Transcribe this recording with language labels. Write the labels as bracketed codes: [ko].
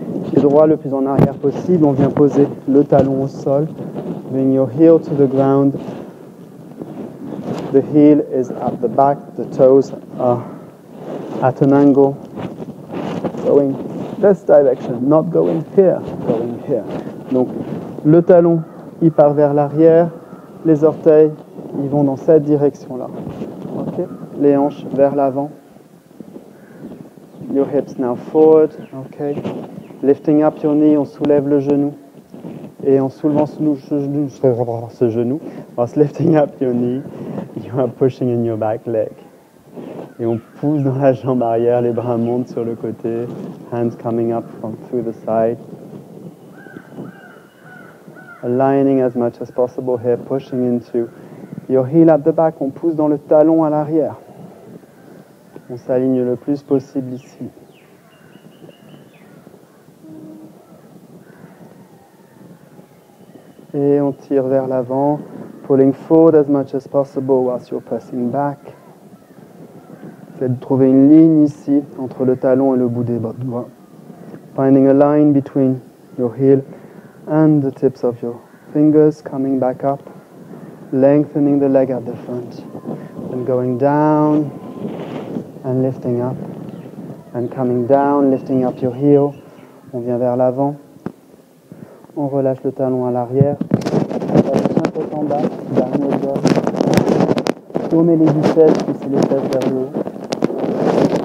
[fr] Pied droit le plus en arrière possible, on vient poser le talon au sol. [en] Bring your heel to the ground. The heel is at the back, the toes are at an angle. Going this direction, not going here, going here. [fr] Donc le talon, il part vers l'arrière, les orteils, ils vont dans cette direction-là. Ok, les hanches vers l'avant. [en] Your hips now forward, ok. Lifting up your knee, [fr] on soulève le genou. Et en soulevant ce genou, [en] whilst lifting up your knee, you are pushing in your back leg. [fr] Et on pousse dans la jambe arrière, les bras montent sur le côté, [en] hands coming up from through the side. Aligning as much as possible here, pushing into your heel at the back, [fr] on pousse dans le talon à l'arrière. On s'aligne le plus possible ici. Et on tire vers l'avant, [en] pulling forward as much as possible whilst you're pressing back. [fr] Essayez de trouver une ligne ici entre le talon et le bout des doigts. [en] Finding a line between your heel and the tips of your fingers, coming back up, lengthening the leg at the front, and going down and lifting up, and coming down, lifting up your heel. [fr] On vient vers l'avant, on relâche le talon à l'arrière, un peu en bas, dernier dos, tournez les biceps, poussez les fesses vers le haut.